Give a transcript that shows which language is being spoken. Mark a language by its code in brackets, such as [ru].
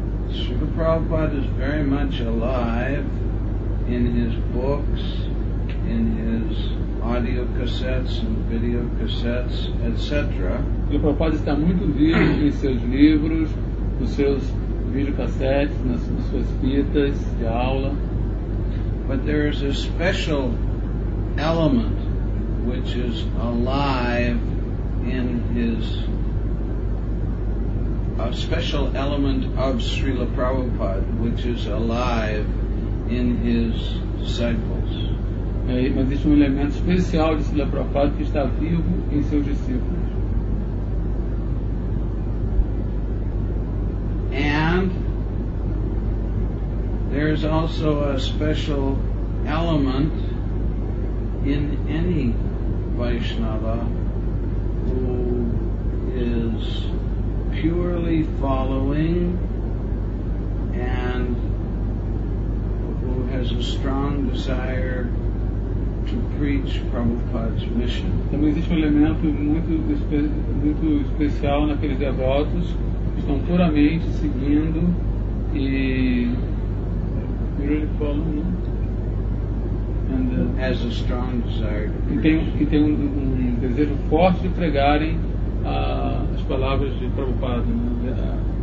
[en] Srila Prabhupada is very much alive in his books, in his audio cassettes and video cassettes, etc. [pt] Srila Prabhupada está muito vivo em seus livros, nos seus videocassetes, nas suas fitas de aula. [en] But there is a special element which is alive in his, a special element of Srila Prabhupada, which is alive in his disciples. [pt] Mas existe um elemento especial de Srila Prabhupada que está vivo em seus discípulos. [en] And there is also a special element in any Vaishnava who is purely following and who has a strong desire to preach Prabhupada's mission. [pt] Também existe um elemento muito especial naqueles devotos que estão puramente seguindo e [en] purely following. Has a strong desire to preach. [pt] Que tem um desejo forte de pregarem as palavras de Prabhupada, né?